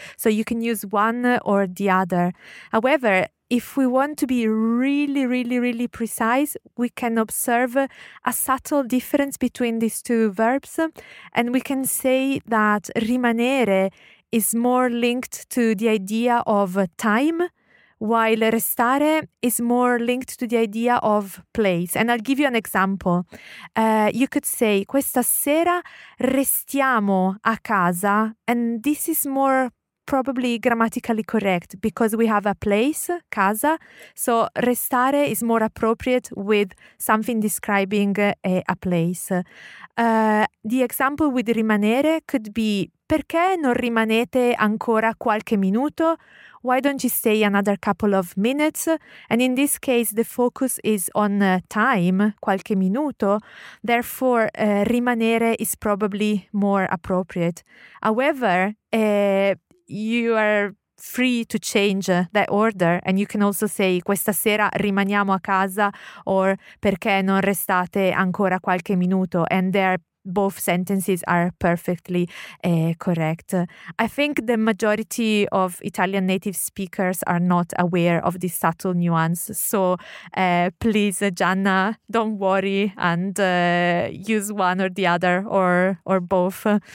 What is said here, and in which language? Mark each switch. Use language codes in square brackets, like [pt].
[en] So you can use one or the other. However, if we want to be really, really, really precise, we can observe a subtle difference between these two verbs. And we can say that rimanere is more linked to the idea of time, while restare is more linked to the idea of place. And I'll give you an example. You could say, [it] questa sera restiamo a casa. [en] And this is more probably grammatically correct because we have a place, casa. So restare is more appropriate with something describing a place. The example with rimanere could be, [it] perché non rimanete ancora qualche minuto? [en] Why don't you stay another couple of minutes? And in this case, the focus is on time, qualche minuto. Therefore, rimanere is probably more appropriate. However, you are free to change that order. And you can also say, [it] questa sera rimaniamo a casa, [en] or [it] perché non restate ancora qualche minuto? [en] And there both sentences are perfectly correct. I think the majority of Italian native speakers are not aware of this subtle nuance. So please, Gianna, don't worry and use one or the other or both.